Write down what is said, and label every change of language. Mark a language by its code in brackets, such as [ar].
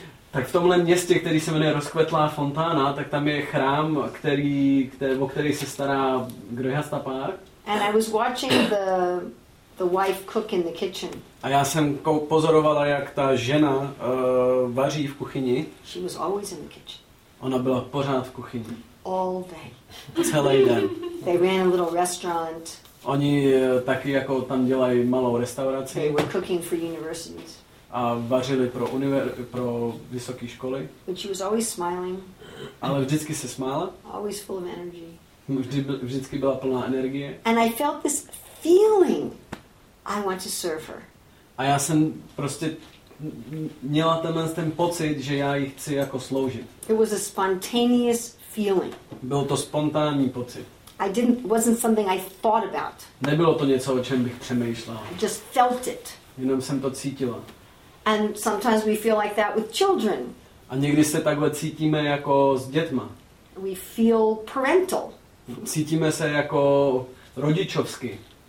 [cs] Tak v tomhle městě, který se jmenuje Rozkvetlá fontána, tak tam je chrám, o který se stará Grahasta pár. [en] And I was watching the wife cook in the kitchen. [cs] A já jsem pozorovala, jak ta žena vaří v kuchyni. [en] She was always in the kitchen. [cs] Ona byla pořád v kuchyni. [en] All day. [cs] Celý den. [en] They ran a little restaurant. [cs] Oni taky jako tam dělají malou restauraci. [en] They were cooking for universities. [cs] A vařili pro vysoké školy. [en] But she was always smiling. [cs] Ale vždycky se smála. [en] Always full of energy. [cs] Vždycky byla plná energie. [en] And I felt this feeling, I want to serve her. [cs] A já jsem prostě měla ten pocit, že já jí chci jako sloužit. [en] It was a spontaneous feeling. [cs] Byl to spontánní pocit. [en] Wasn't something I thought about. [cs] Nebylo to něco, o čem bych přemýšlela. [en] I just felt it. [cs] Jenom jsem to cítila. [en] And sometimes we feel like that with children. [cs] A někdy se takhle cítíme jako s dětma. [en] We feel parental. [cs] Cítíme se jako rodičovsky.